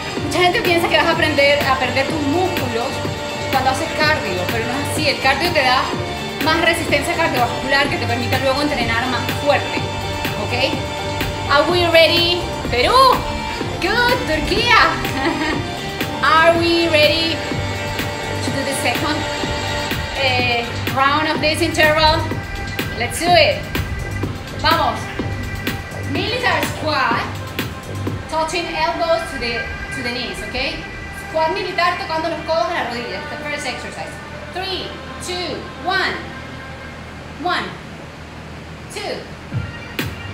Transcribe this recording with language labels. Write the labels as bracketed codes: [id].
[es] Mucha gente piensa que vas a aprender a perder tus músculos cuando haces cardio, pero no es así. El cardio te da más resistencia cardiovascular que te permite luego entrenar más fuerte, ok. [en] Are we ready? Perú! Good! Turquía! Are we ready to do the second round of this interval? Let's do it! [es] Vamos! [en] Military squat, touching elbows to the knees, okay? [es] Squat militar tocando los codos a la rodilla. [en] The first exercise. [es] 3, 2, 1. 1, 2.